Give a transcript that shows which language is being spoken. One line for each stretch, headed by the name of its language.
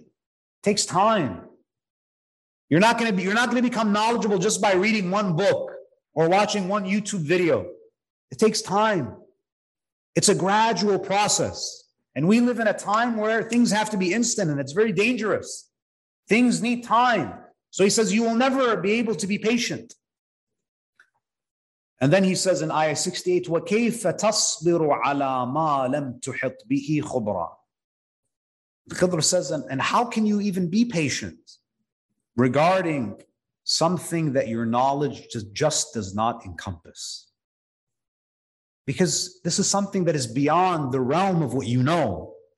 English: It takes time. You're not going to become knowledgeable just by reading one book or watching one YouTube video. It takes time. It's a gradual process. And we live in a time where things have to be instant, and it's very dangerous. Things need time. So he says, you will never be able to be patient.
Arabic: And then he says in ayah 68, وَكَيْفَ تَصْبِرُ عَلَى مَا لَمْ تُحِطْ بِهِ خُبْرًا.
English: Khidr says, and how can you even be patient regarding something that your knowledge just does not encompass? Because this is something that is beyond the realm of what you know.